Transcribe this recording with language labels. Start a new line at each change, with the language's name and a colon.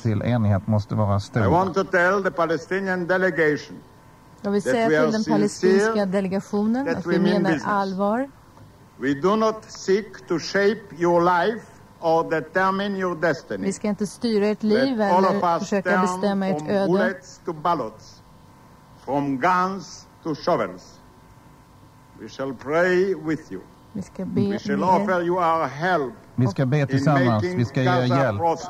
Swedish: Till enighet måste vara stor.
English: I want to tell the Palestinian delegation.
Swedish: Jag vill säga till den palestinska delegationen att vi menar allvar.
English: We do not seek to shape your life or determine your destiny.
Swedish: Vi ska inte styra ert liv eller försöka bestämma ert öde.
English: From bullets to ballots, from guns to shovels. We shall pray with you.
Swedish: Vi ska be.
English: We shall offer you our help.
Swedish: Vi ska be tillsammans. Vi ska ge er hjälp.